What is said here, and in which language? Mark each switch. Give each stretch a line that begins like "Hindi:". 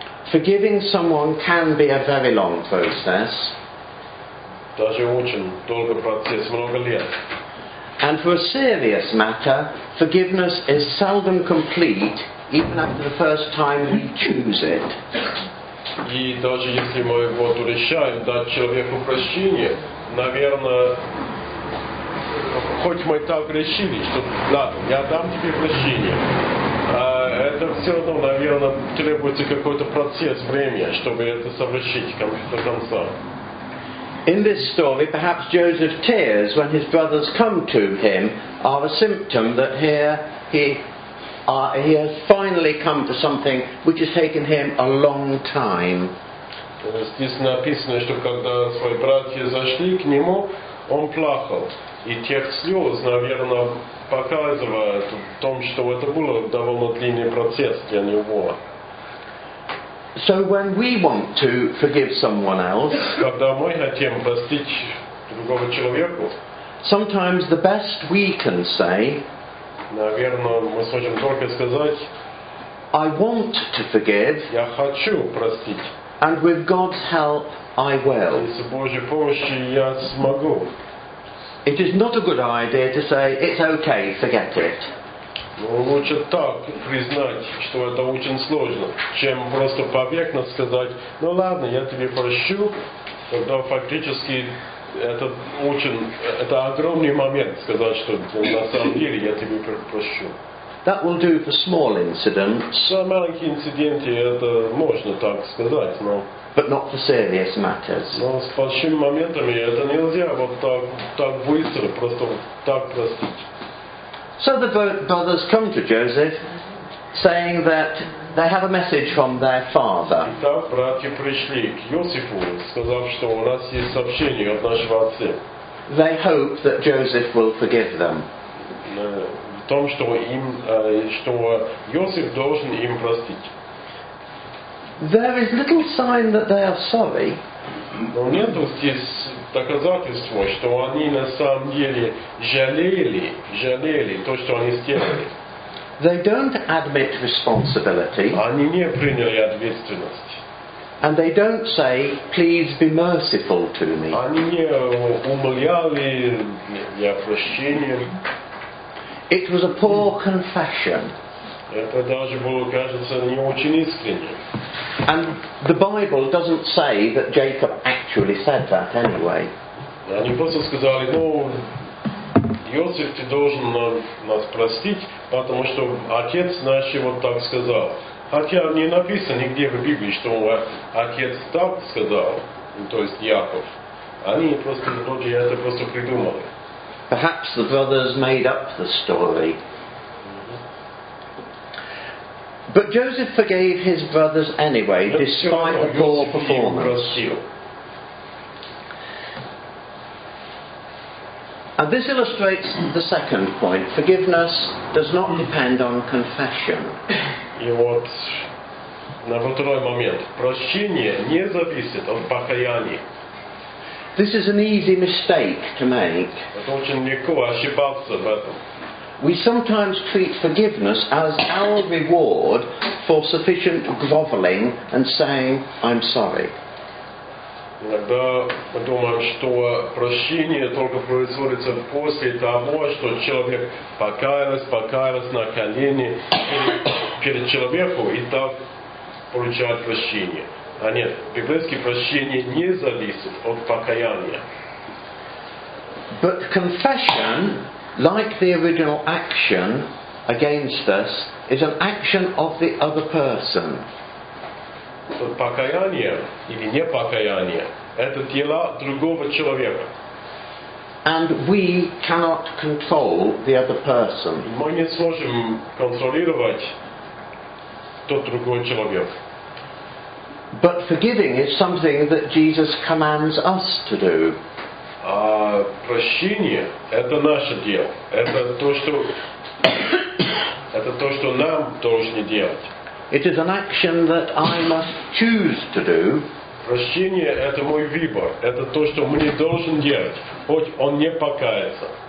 English: Forgiving someone can be a very long process. And for a serious matter, forgiveness is seldom complete even after the first time we choose it.
Russian: И даже если мы вот решаем дать человеку прощение, наверное, хоть мы так решили, что да, я дам тебе прощение, это все равно, наверное, требуется какой-то процесс, время, чтобы это совершить до конца.
English: In this story, perhaps Joseph's tears when his brothers come to him are a symptom that here he has finally come to something which has taken him a long time.
Russian: Здесь написано, что когда свои братья зашли к нему, он плакал. И тех слез, наверное, показывает в том, что это был довольно длинный процесс для него.
English: So when we want to forgive someone else,
Russian: когда мы хотим простить другого человека,
English: sometimes the best we can say,
Russian: наверное, мы сможем только сказать,
English: I want to forgive,
Russian: я хочу простить,
English: and with God's help, I will.
Russian: И с Божьей помощью я смогу.
English: It is not a good idea to say, it's okay, forget it.
Russian: Лучше так признать, что это очень сложно, чем просто поверхностно сказать, ну ладно, я тебе прощу, тогда фактически это очень, это огромный момент сказать, что на самом деле я тебе прощу.
English: That will do for small incidents.
Russian: За маленькие инциденты это можно так сказать, но...
English: But not for serious matters.
Russian: Но с большими моментами это нельзя вот так быстро, просто так простить.
English: So the brothers come to Joseph, saying that they have a message from their father.
Russian: Итак, братья пришли к Иосифу, сказав, что у нас есть сообщение от нашего отца.
English: They hope that Joseph will forgive them.
Russian: В том, что им, что Иосиф должен им простить.
English: There is little sign that they are sorry.
Russian: Но нет здесь доказательства, что они на самом деле жалели то, что они сделали.
English: They don't admit responsibility.
Russian: Они не приняли ответственность.
English: And they don't say, please be merciful to me.
Russian: Они не умоляли для прощения.
English: It was a poor confession.
Russian: Это даже было, кажется, не очень искренне.
English: And the Bible doesn't say that Jacob actually said that anyway.
Russian: Они просто сказали, ну, Иосиф, ты должен нас простить, потому что отец наш вот так сказал. Хотя не написано нигде в Библии, что отец так сказал, то есть Яков. Они просто, вроде, это просто придумали.
English: Perhaps the brothers made up the story. But Joseph forgave his brothers anyway, despite the poor performance. And this illustrates the second point. Forgiveness does not depend on confession.
Russian: И вот, на второй момент. Прощение не зависит от покаяния.
English: This is an easy mistake to make.
Russian: Это очень легко ошибаться в этом.
English: We sometimes treat forgiveness as our reward for sufficient grovelling and saying, I'm sorry.
Russian: Иногда мы думаем, что прощение только производится после того, что человек покаялся на колени перед человеком и так получает прощение. А нет, библейское прощение не зависит от покаяния.
English: But confession, like the original action against us, is an action of the other person.
Russian: Покаяние или непокаяние – это дела другого человека.
English: And we cannot control the other person.
Russian: Мы не сможем контролировать тот другой человек.
English: But forgiving is something that Jesus commands us to do.
Russian: прощение – это наше дело. Это то, что нам должны делать.
English: It is an action that I must choose to do.
Russian: Прощение – это мой выбор. Это то, что мне должен делать, хоть он не покается.